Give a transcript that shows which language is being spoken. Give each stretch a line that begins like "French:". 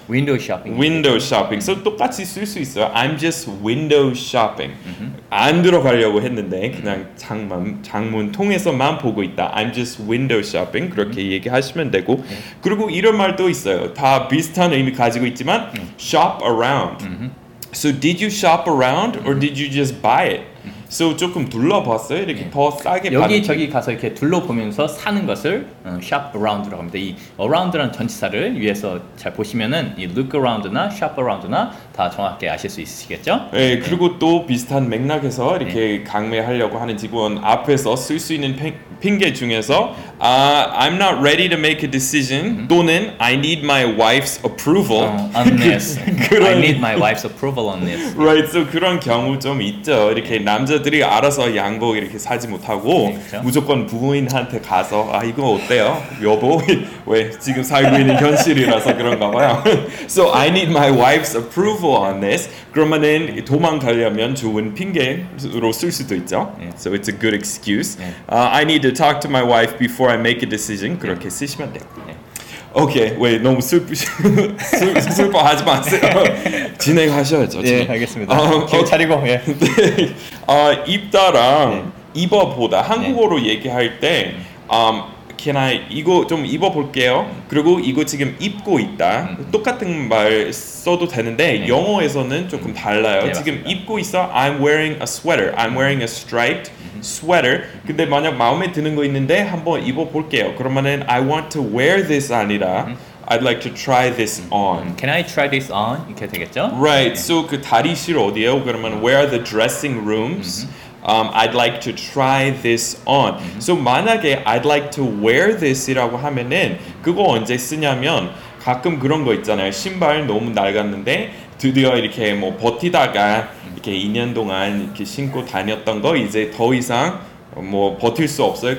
Korean: 윈도우 쇼핑. 윈도우 쇼핑. So 똑같이 쓸 수 있어요.
English: I'm just window shopping.
Korean: 안 들어가려고 했는데 그냥 창문 통해서만 보고 있다.
English: I'm just window shopping.
Korean: 그렇게 얘기하시면 되고 그리고 이런 말도 있어요. 다 비슷한 의미 가지고 있지만 shop around.
English: So did you shop around or did you just buy it?
Korean: So 조금 둘러봤어요. 이렇게 더 싸게 여기 받은 저기 가서 이렇게 둘러보면서 사는 것을 shop around라고 합니다. 이 around라는 전치사를 위해서 잘 보시면은 이 look around나 shop around나 다 정확하게 아실 수 있으시겠죠? 네. 그리고 또 비슷한 맥락에서 이렇게 강매하려고 하는 직원 앞에서 쓸 수 있는 핑계 중에서
English: I'm not ready to make a decision
Korean: 또는
English: I need my wife's approval on this. I need my wife's approval on this.
Korean: Right. So 그런 경우 좀 있죠. 이렇게 남자들이 알아서 양복 이렇게 사지 못하고 무조건 부모님한테 가서 아 이거 어때요? 여보 왜 지금 살고 있는 현실이라서 그런가 봐요.
English: So I need my wife's approval on this.
Korean: 그러면은 도망가려면 좋은 핑계로 쓸 수도 있죠.
English: So it's a good excuse. I need to talk to my wife before I make a decision.
Korean: 그렇게 쓰시면 돼요. 오케이, 왜 너무 슬퍼하지 마세요. 진행하셔야죠. 예, 알겠습니다. 기운 차리고. 예. 네. 입다랑 입어보다 한국어로 얘기할 때 can I 이거 좀 입어볼게요. 그리고 이거 지금 입고 있다. 똑같은 말 써도 되는데 영어에서는 조금 달라요. 네, 지금 입고 있어.
English: I'm wearing a sweater. I'm wearing a striped sweater.
Korean: 근데 만약 마음에 드는 거 있는데 한번 입어볼게요. 그러면은
English: I want to wear this
Korean: 아니라
English: I'd like to try this on. Can I try this on?
Korean: 이렇게 되겠죠?
English: Right. Okay.
Korean: So 그 다리실 어디예요? 그러면
English: where are the dressing rooms? I'd like to try this on.
Korean: So 만약에
English: I'd like to wear this
Korean: 이라고 하면은 그거 언제 쓰냐면 가끔 그런 거 있잖아요. 신발 너무 낡았는데 드디어 이렇게 뭐 버티다가 이렇게 2년 동안 이렇게 신고 다녔던 거 이제 더 이상 뭐 버틸 수 없어요.